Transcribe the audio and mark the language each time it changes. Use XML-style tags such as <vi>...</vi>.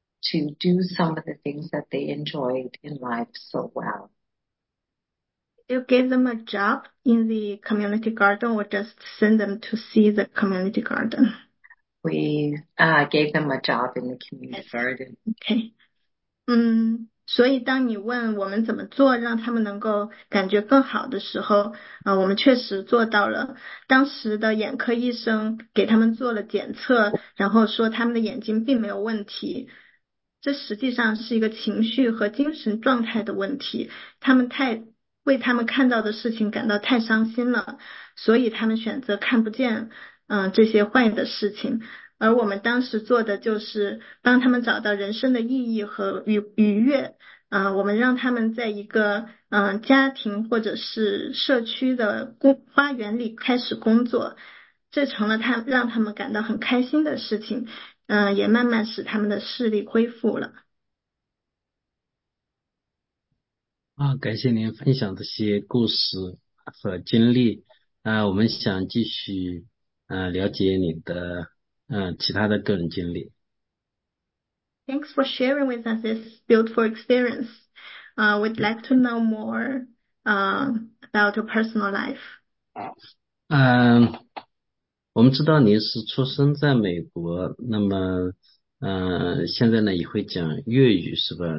<en>to do some of the things that they enjoyed in life so well. You gave them a job in the community garden or just send them to see the community garden? We gave them a job in the community garden. Okay.</en> <zh>所以当你问我们怎么做让他们能够感觉更好的时候我们确实做到了。当时的眼科医生给他们做了检测然后说他们的眼睛并没有问题。这实际上是一个情绪和精神状态的问题。他们太为他们看到的事情感到太伤心了所以他们选择看不见这些坏的事情。而我们当时做的就是帮他们找到人生的意义和愉悦我们让他们在一个家庭或者是社区的花园里开始工作这成了让他们感到很开心的事情也慢慢使他们的视力恢复了。感谢您分享这些故事和经历我们想继续了解你的其他的个人经历。</zh> <en>Thanks for sharing with us this beautiful experience. We'd like to know more about your personal life.</en> <zh>我们知道您是出生在美国，那么现在呢也会讲粤语是吧？</zh>